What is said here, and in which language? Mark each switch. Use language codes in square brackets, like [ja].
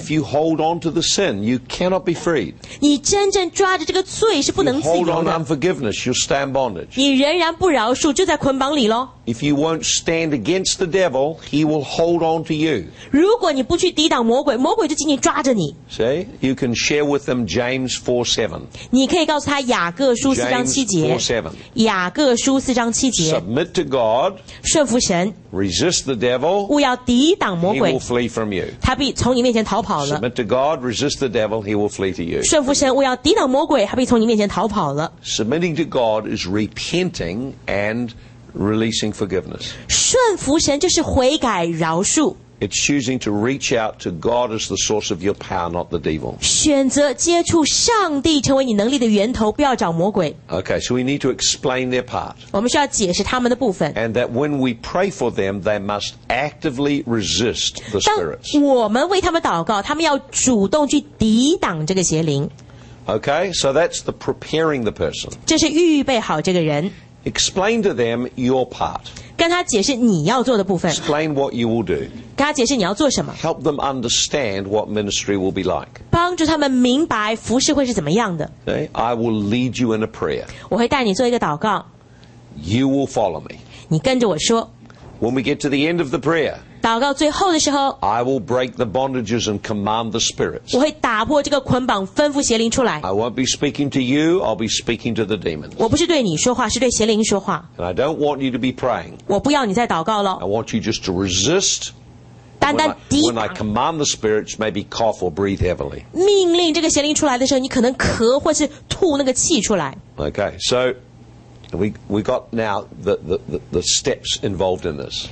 [en] If you hold on to the sin, you cannot be freed. [zh] 你真正抓着这个罪是不能自由的。 [en] If you hold on unforgiveness, you'll stay in bondage. [zh] 你仍然不饶恕就在捆绑里咯。 [en] If you won't stand against the devil, he will hold on to you. [zh] 如果你不去抵挡魔鬼，魔鬼就紧紧抓着你。 [en] See, you can share with them James 4:7. [zh] 你可以告诉他雅各书四章七节。 [en] James 4:7. [zh] 雅各书四章七节。 [en] Submit to God. [zh] 顺服神。 [en] Resist the devil. [zh] 勿要抵挡魔鬼。 [en] He will flee from you. [zh] 他必从你面前逃跑了。 [en] Submit to God. Resist the devil. He will flee to you. [zh] 顺服神，勿要抵挡魔鬼，他必从你面前逃跑了。 [en] Submitting to God is repenting and releasing forgiveness. [zh] 顺服神就是悔改饶恕。 [en] It's choosing to reach out to God as the source of your power, not the devil. [zh] 选择接触上帝成为你能力的源头，不要找魔鬼。 [en] Okay, so we need to explain their part. [zh] 我们需要解释他们的部分。 [en] And that when we pray for them, they must actively resist the spirits. [zh] 当我们为他们祷告，他们要主动去抵挡这个邪灵。 [en] Okay, so that's the preparing the person. [zh] 这是预备好这个人。 [en] Explain to them your part. [zh] 跟他解释你要做的部分。 [en] Explain what you will do. [zh] 跟他解释你要做什么。 [en] Help them understand what ministry will be like. [zh] 帮助他们明白服事会是怎么样的。 [en] Okay, I will lead you in a prayer. [zh] 我会带你做一个祷告。 [en] You will follow me. [zh] 你跟着我说。 [en] When we get to the end of the prayer, [zh] 祷告最后的时候， [en] I will break the bondages and command the spirits. [zh] 我会打破这个捆绑，吩咐邪灵出来。 [en] I won't be speaking to you, I'll be speaking to the demons. [zh] 我不是对你说话，是对邪灵说话。 [en] And I don't want you to be praying. [zh] 我不要你再祷告了。 [en] I want you just to resist. When I command the spirits, maybe cough or breathe heavily. [zh] 命令这个邪灵出来的时候，你可能咳或是吐那个气出来。 [en] Okay, so we got now the steps involved in this.